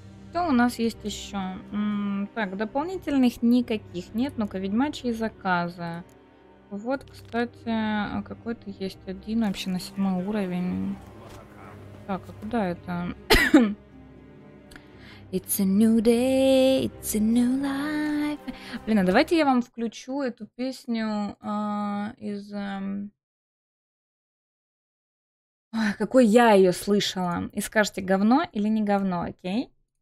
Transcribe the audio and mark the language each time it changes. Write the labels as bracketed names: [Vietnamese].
[Russian] Что у нас есть еще? Так, дополнительных никаких нет. Ну-ка, ведьмачьи заказы. Вот, кстати, какой-то есть один вообще на 7-й уровень. Так, а куда это? [English] It's a new day, it's a new life. [Russian] Блин, а давайте я вам включу эту песню из... Ой, какой я ее слышала. И скажете, говно или не говно, окей?